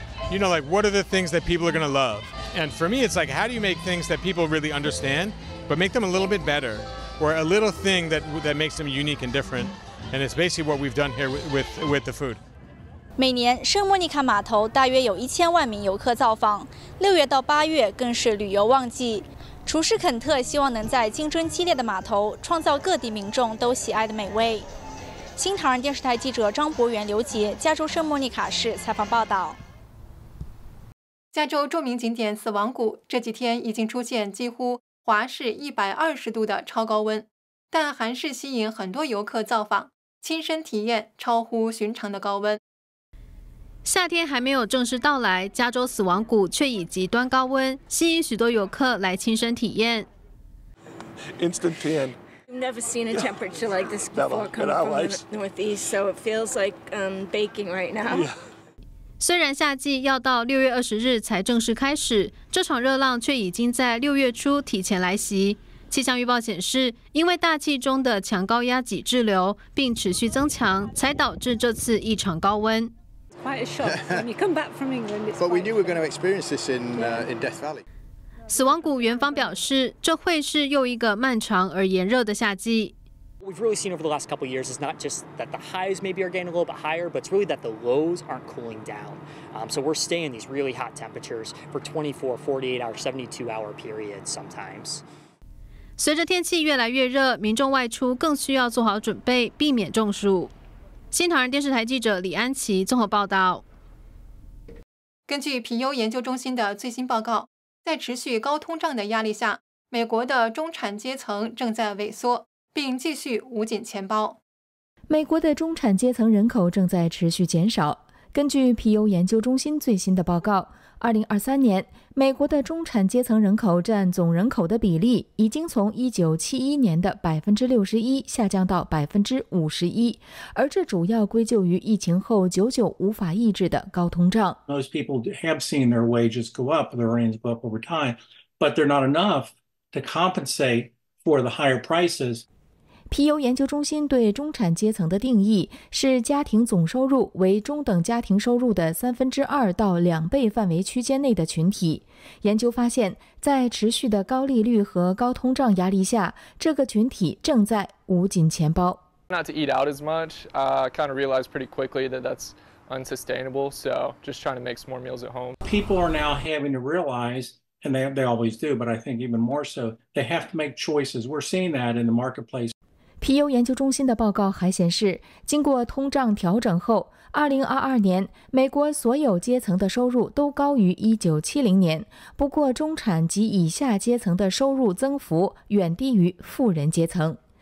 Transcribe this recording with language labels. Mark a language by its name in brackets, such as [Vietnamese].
[English] You know, like, what are the things that people are going to love? And for me, it's like, how do you make things that people really understand, but make them a little bit better, or a little thing that makes them unique and different? And it's basically what we've done here with the food. [Chinese] 每年圣莫妮卡码头大约有1000万名游客造访，6月到8月更是旅游旺季。厨师肯特希望能在竞争激烈的码头创造各地民众都喜爱的美味。新唐人电视台记者张博源、刘杰，加州圣莫妮卡市采访报道。加州著名景点死亡谷这几天已经出现几乎华氏120度的超高温，但还是吸引很多游客造访，亲身体验超乎寻常的高温。夏天还没有正式到来，加州死亡谷却已极端高温，吸引许多游客来亲身体验。 [English] instant tan. I've never seen a temperature like this before coming from the northeast, so it feels like baking right now. Yeah. [Chinese] 虽然夏季要到6月20日才正式开始，这场热浪却已经在6月初提前来袭。气象预报显示，因为大气中的强高压脊滞留并持续增强，才导致这次异常高温。 [English] Quite a shock when you come back from England. But we knew we were going to experience this in Death Valley. [Chinese] 死亡谷园方表示，这会是又一个漫长而炎热的夏季。 [English] We've really seen over the last couple of years is not just that the highs maybe are getting a little bit higher, but it's really that the lows aren't cooling down. So we're staying these really hot temperatures for 24, 48 hour, 72 hour periods sometimes. [Chinese] 随着天气越来越热，民众外出更需要做好准备，避免中暑。新唐人电视台记者李安琪综合报道。根据皮尤研究中心的最新报告，在持续高通胀的压力下，美国的中产阶层正在萎缩。并继续捂紧钱包。美国的中产阶层人口正在持续减少。根据皮尤研究中心最新的报告，2023年美国的中产阶层人口占总人口的比例已经从1971年的 61% 下降到 51%， 而这主要归咎于疫情后久久无法抑制的高通胀。 [English] Most people have seen their wages go up, their earnings go up over time, but they're not enough to compensate. For the higher prices. [Chinese] 皮尤研究中心对中产阶层的定义是家庭总收入为中等家庭收入的三分之二到两倍范围区间内的群体。研究发现，在持续的高利率和高通胀压力下，这个群体正在捂紧钱包。 [English] Not to eat out as much. Kind of realized pretty quickly that that's unsustainable. So just trying to make some more meals at home. People are now having to realize. And they always do, but I think even more so, they have to make choices. We're seeing that in the marketplace. [Chinese] 皮尤研究中心的报告还显示，经过通胀调整后，2022年美国所有阶层的收入都高于1970年，不过中产及以下阶层的收入增幅远低于富人阶层。